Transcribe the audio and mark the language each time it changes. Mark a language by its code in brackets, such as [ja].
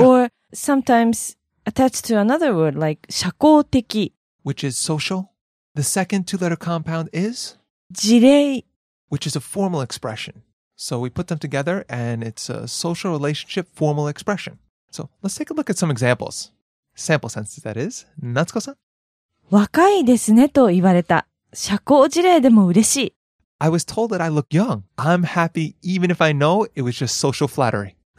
[en] Or sometimes attached to another word like 社交的, which is social. The second two-letter compound is [ja] 事例, [en] which is a formal expression. So we put them together and it's a social relationship formal expression. So let's take a look at some examples. Sample sentences, that is. Natsuko-san? [ja] 若いですねと言われた社交辞令でも嬉しい。 [en] I was told that I look young. I'm happy even if I know it was just social flattery.